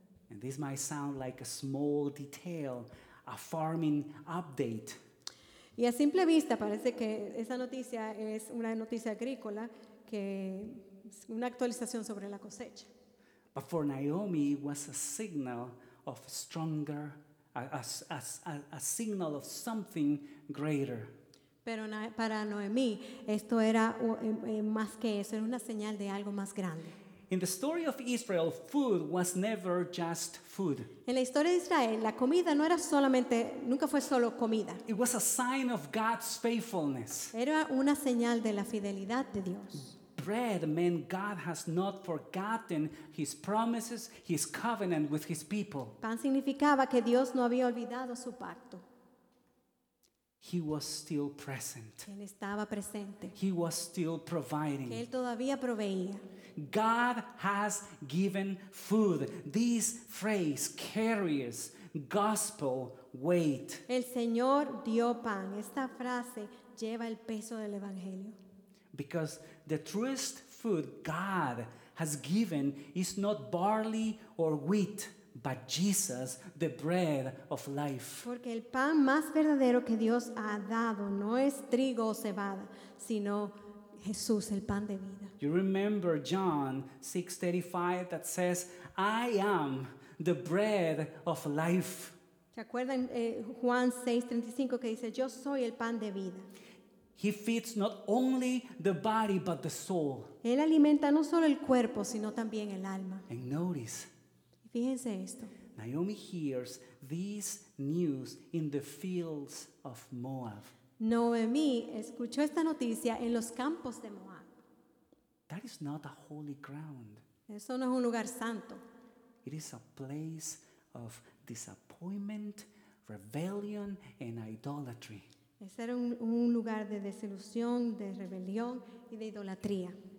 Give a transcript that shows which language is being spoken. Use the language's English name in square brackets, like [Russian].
[English] And this might sound like a small detail, a farming update. [Spanish] Y a simple vista parece que esa noticia es una noticia agrícola, que es una actualización sobre la cosecha. [English] But for Naomi, it was a signal of stronger, a signal of something greater. [Spanish] Pero para Noemí, esto era más que eso, era una señal de algo más grande. [English] In the story of Israel, food was never just food. [Spanish] En la historia de Israel, la comida no era solamente, nunca fue solo comida. [English] It was a sign of God's faithfulness. [Spanish] Era una señal de la fidelidad de Dios. [English] bread, man, God has not forgotten his promises, his covenant with his people. [Spanish] Pan significaba que Dios no había olvidado su pacto. [English] He was still present. [Spanish] Él estaba presente. [English] He was still providing. [Spanish] Que él todavía proveía. [English] God has given food. This phrase carries gospel weight. [Spanish] El Señor dio pan. Esta frase lleva el peso del evangelio. [English] Because the truest food God has given is not barley or wheat, but Jesus, the bread of life. [Spanish] Porque el pan más verdadero que Dios ha dado no es trigo o cebada, sino Jesús, el pan de vida. [English] You remember John 6:35 that says, "I am the bread of life." [Spanish] ¿Se acuerdan Juan 6:35 que dice, "Yo soy el pan de vida"? [English] He feeds not only the body but the soul. [Spanish] Él alimenta no solo el cuerpo, sino también el alma. [English] And notice. [Spanish] Fíjense esto. [English] Naomi hears this news in the fields of Moab. [Spanish] Noemí escuchó esta noticia en los campos de Moab. [English] That is not a holy ground. [Spanish] Eso no es un lugar santo. [English] It is a place of disappointment, rebellion, and idolatry. [Spanish] Ese era un lugar de desilusión, de rebelión y de idolatría.